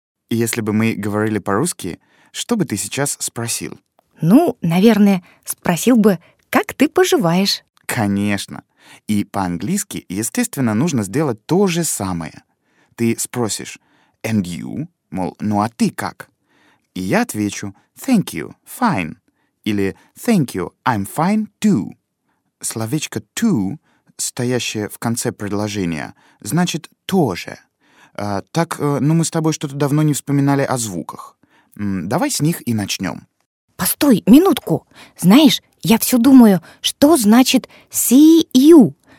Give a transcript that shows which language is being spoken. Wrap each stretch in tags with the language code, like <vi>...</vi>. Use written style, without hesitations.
<ru>Если бы мы говорили по-русски, что бы ты сейчас спросил? Ну, наверное, спросил бы, как ты поживаешь? Конечно. И по-английски, естественно, нужно сделать то же самое. Ты спросишь</ru> <en>«and you?»,</en> <ru>мол, «ну а ты как?». И я отвечу</ru> <en>«thank you, fine»</en> <ru>или</ru> <en>«thank you, I'm fine too».</en> <ru>Словечко «to», стоящее в конце предложения, значит «тоже». Мы с тобой что-то давно не вспоминали о звуках. Давай с них и начнем. Постой, минутку. Знаешь, я все думаю, что значит</ru> <en>«see you».</en>